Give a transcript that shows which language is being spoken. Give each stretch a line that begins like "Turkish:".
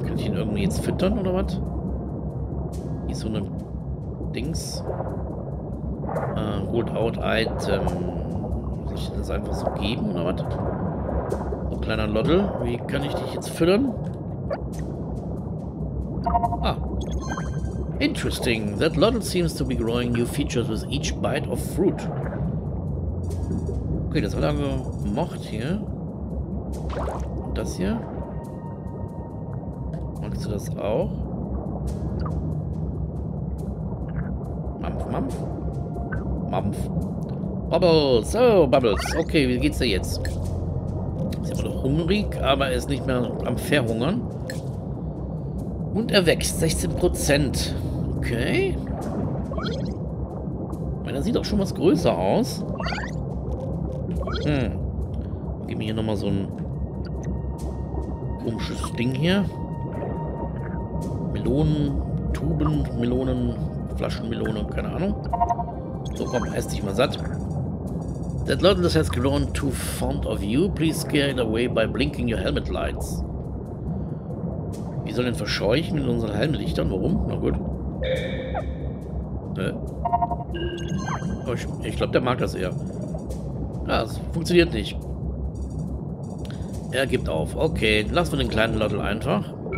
German: Kann ich ihn irgendwie jetzt füttern oder was? Hier ist so ein Dings.
English: Hold out item.
German: Muss ich das einfach so geben oder was? So, kleiner Loddel. Wie kann ich dich jetzt füttern?
English: Ah. Interesting. That Loddle seems to be growing new features with each bite of fruit.
German: Okay, das hat er gemocht hier. Und das hier. Magst du das auch? Mampf, Mampf. Mampf. Bubbles. Oh, Bubbles. Okay, wie geht's dir jetzt? Ist immer noch hungrig, aber er ist nicht mehr am Verhungern. Und er wächst 16%. Okay. Meine, er sieht auch schon was größer aus. Hm. Gib mir hier nochmal so ein komisches Ding hier. Melonen, Tuben, Melonen, Flaschenmelone, keine Ahnung. So, komm, ess dich mal satt.
English: That Lotus has grown too fond of you. Please scare it away by blinking your helmet lights.
German: Wir sollen ihn verscheuchen mit unseren Helmlichtern. Warum? Na gut. Ich glaube, der mag das eher. Ja, es funktioniert nicht. Er gibt auf. Okay, lass mal den kleinen Lottel einfach.